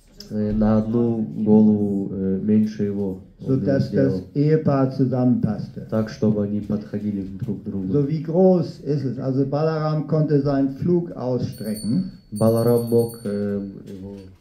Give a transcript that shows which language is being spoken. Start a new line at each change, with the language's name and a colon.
Russian: На одну голову меньше его.
German: So dass das Ehepaar zusammenpasste.
Russian: Так, чтобы они подходили друг к другу.
German: So wie groß ist es? Also Balaram konnte seinen Flug ausstrecken.
Russian: Balaram мог его...